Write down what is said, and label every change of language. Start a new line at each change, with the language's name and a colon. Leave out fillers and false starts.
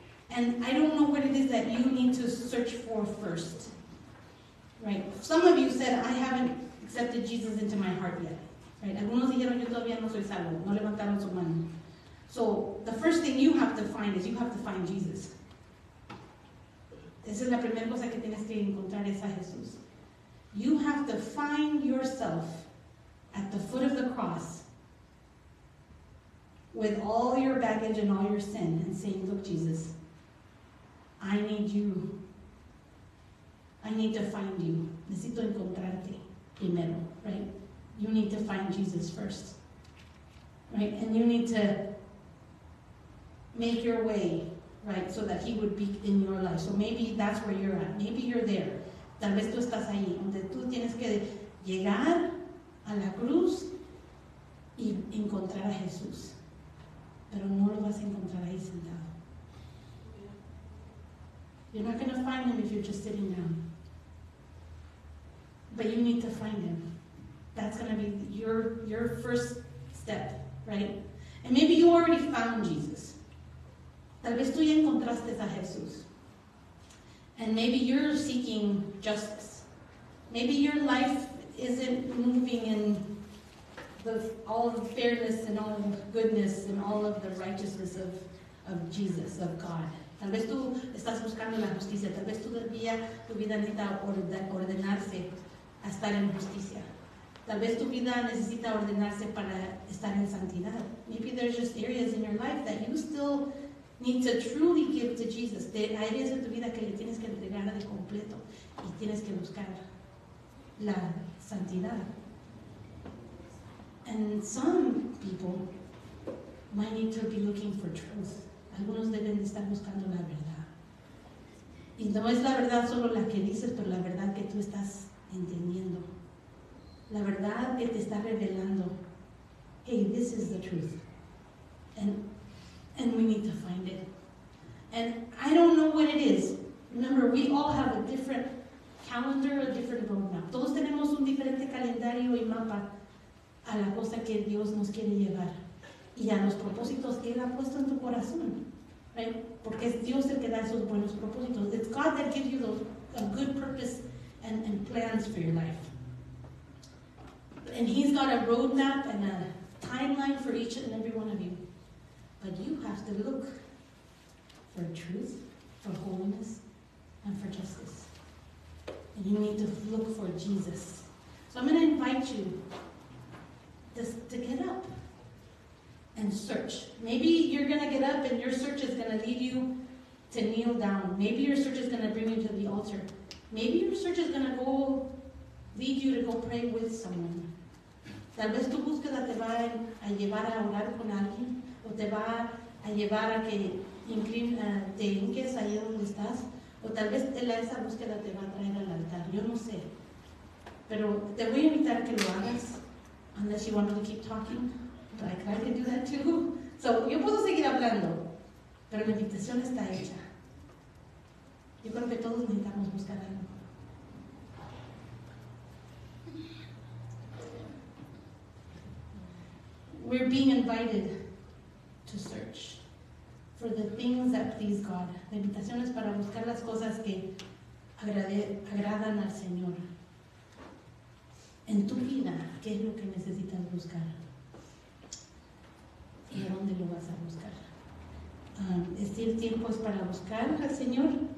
English: And I don't know what it is that you need to search for first. Right. Some of you said, I haven't accepted Jesus into my heart yet. Right.
Spanish: Algunos dijeron, yo todavía no soy salvo. No levantaron su mano.
English: So the first thing you have to find is you have to find Jesus.
Spanish: Esa es la primera cosa que tienes que encontrar, es a Jesús.
English: You have to find yourself at the foot of the cross with all your baggage and all your sin and saying, look, Jesus, I need you. I need to find you.
Spanish: Necesito encontrarte primero,
English: right? You need to find Jesus first, right? And you need to make your way, right? So that he would be in your life. So maybe that's where you're at. Maybe you're there.
Spanish: Tal vez tú estás ahí, donde tú tienes que llegar a la cruz y encontrar a Jesús. Pero no lo vas a encontrar ahí sentado.
English: You're not going to find him if you're just sitting down. But you need to find him. That's going to be your first step, right? And maybe you already found Jesus.
Spanish: Tal vez tú ya encontraste a Jesús.
English: And maybe you're seeking justice. Maybe your life isn't moving in all the fairness and all the goodness and all of the righteousness of Jesus, of God.
Spanish: Tal vez tú estás buscando la justicia. Tal vez tu vida necesita ordenarse a estar en justicia. Tal vez tu vida necesita ordenarse para estar en santidad.
English: Maybe there's just areas in your life that you still need to truly give to Jesus.
Spanish: Hay áreas de tu vida que le tienes que entregar de completo y tienes que buscar la santidad.
English: And some people might need to be looking for truth.
Spanish: Algunos deben estar buscando la verdad. Y no es la verdad solo la que dices, pero la verdad que tú estás entendiendo. La verdad que te está revelando.
English: Hey, this is the truth. And we need to find it. And I don't know what it is. Remember, we all have a different calendar, a different roadmap.
Spanish: Todos tenemos un diferente calendario y mapa a la cosa que Dios nos quiere llevar. Y a los propósitos que Él ha puesto en tu corazón. Right? Porque es Dios el que da esos buenos propósitos.
English: It's God that gives you a good purpose and plans for your life. And He's got a roadmap and a timeline for each and every one of you. But you have to look for truth, for holiness, and for justice. And you need to look for Jesus. So I'm going to invite you to get up and search. Maybe you're going to get up and your search is going to lead you to kneel down. Maybe your search is going to bring you to the altar. Maybe your search is going to go lead you to go pray with someone.
Spanish: Tal vez tu búsqueda te va a llevar a orar con alguien. O te va a llevar a que te hinques ahí donde estás. O tal vez esa búsqueda te va a traer al altar. Yo no sé. Pero te voy a invitar a que lo hagas.
English: Unless you want to keep talking. But I can do that too.
Spanish: So, yo puedo seguir hablando. Pero la invitación está hecha. Yo creo que todos necesitamos buscar algo.
English: We're being invited to search for the things that please God.
Spanish: La invitación es para buscar las cosas que agradan al Señor. En tu vida, ¿qué es lo que necesitas buscar? ¿Y a dónde lo vas a buscar? Este tiempo es para buscar al Señor.